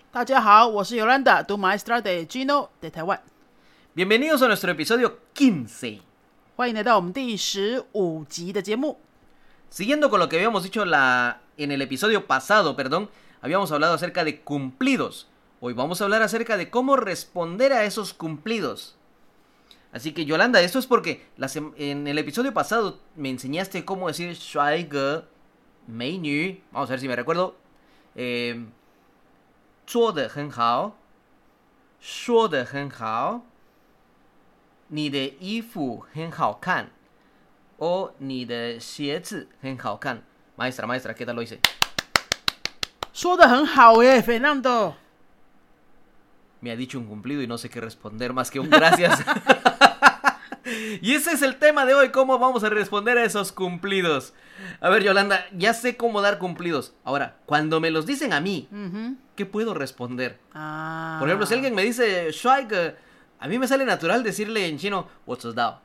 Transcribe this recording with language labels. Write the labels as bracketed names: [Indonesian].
[Chinese] 大家好，我是 [Spanish] Yolanda, tu maestra de Gino de Taiwan. Bienvenidos a nuestro episodio 15. [Chinese] 欢迎来到我们第十五集的节目。 [Spanish] Siguiendo con lo que habíamos dicho en el episodio pasado, perdón, habíamos hablado acerca de cumplidos. Hoy vamos a hablar acerca de cómo responder a esos cumplidos. Así que Yolanda, esto es porque en el episodio pasado me enseñaste cómo decir 帅哥 美女, vamos a ver si me recuerdo. [Chinese] 做得很好，说得很好，你的衣服很好看，哦，你的鞋子很好看。 [Spanish] Maestra, maestra, ¿qué tal lo hice? [Chinese] 说得很好耶，Fernando。 [Spanish] Me ha dicho un cumplido y no sé qué responder más que un gracias. Y ese es el tema de hoy, cómo vamos a responder a esos cumplidos. A ver, Yolanda, ya sé cómo dar cumplidos. Ahora, cuando me los dicen a mí, ¿qué puedo responder? Por ejemplo, si alguien me dice, Shuaige, a mí me sale natural decirle en chino, [English] What's up?